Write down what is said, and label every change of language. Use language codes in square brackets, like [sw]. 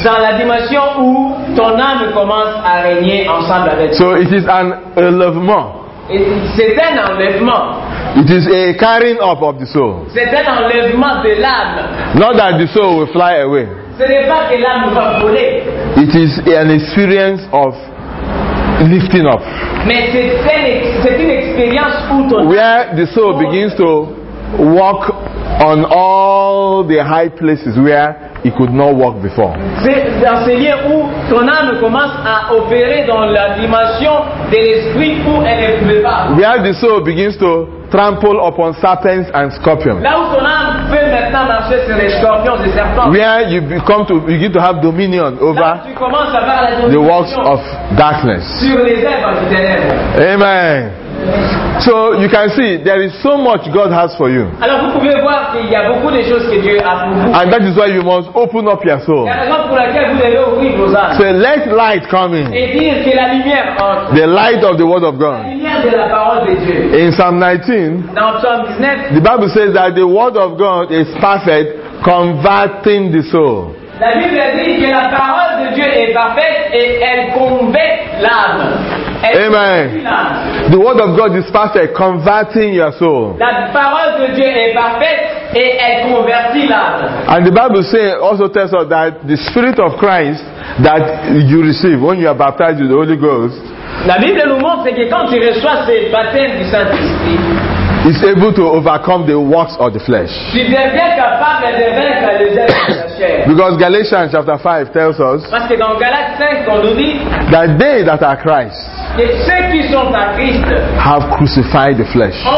[fr] Dans la dimension où ton âme commence à régner ensemble avec. [en] So it is an enlèvement. [fr] C'est un enlèvement. [en] It is a carrying up of the soul. [fr] C'est un enlèvement de l'âme. [en] Not that the soul will fly away. [fr] Ce n'est pas que l'âme va voler. [en] It is an experience of lifting up. [fr] Mais c'est une expérience où ton âme. [en] Where the soul begins to walk on all the high places where he could not walk before. [fr] C'est dans ce lieu où ton âme commence à opérer dans la dimension de l'esprit où elle ne pouvait pas. [en] Where the soul begins to trample upon serpents and scorpions. [fr] Là où ton âme peut maintenant marcher sur les scorpions et serpents. [en] Where you become to begin to have dominion over the works of darkness. [fr] Sur les œuvres du ténèbres. Amen. [en] So you can see there is so much God has for you. [fr] Alors vous pouvez voir qu'il y a beaucoup de choses que Dieu a pour vous. [en] And that is why you must open up your soul. So let light come in. [fr] Et dire que la lumière entre. [en] The light of the word of God. [fr] La lumière de la parole de Dieu. [en] In Psalm 19. [fr] Dans Psalm 19. [en] The Bible says that the word of God is perfect, converting the soul. [fr] La Bible dit que la parole de Dieu est parfaite et elle convainc l'âme. Amen. [en] The word of God is perfect, converting your soul. [fr] La parole de Dieu est parfaite et elle convertit l'âme. [en] And the Bible says also tells us that the Spirit of Christ that you receive when you are baptized with the Holy Ghost. [fr] La Bible nous montre que quand tu reçois ce baptême du Saint-Esprit, [en] is able to overcome the works of the flesh. Because Galatians chapter 5 tells us that they that are Christ have crucified the flesh.